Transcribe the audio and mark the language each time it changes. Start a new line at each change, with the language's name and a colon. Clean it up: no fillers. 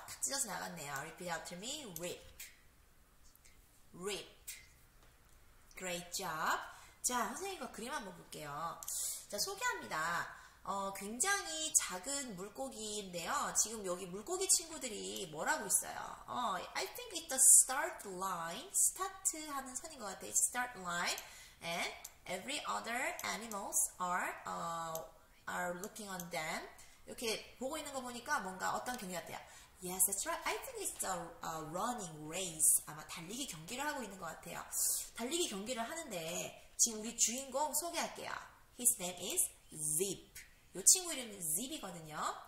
Korean: 탁 찢어서 나갔네요.
English: Repeat after me. Rip. Rip. Great job.
Korean: 자, 선생님 이거 그림 한번 볼게요. 자, 소개합니다. 굉장히 작은 물고기인데요. 지금 여기 물고기 친구들이 뭐라고 있어요?
English: I think it's the start line.
Korean: Start 하는 선인 것 같아요.
English: Start line. And every other animals are looking on them.
Korean: 이렇게 보고 있는 거 보니까 뭔가 어떤 경기 같아요.
English: Yes, that's right. I think it's a running race.
Korean: 아마 달리기 경기를 하고 있는 것 같아요. 달리기 경기를 하는데 지금 우리 주인공 소개할게요.
English: His name is Zip.
Korean: 요 친구 이름은 Zip이거든요.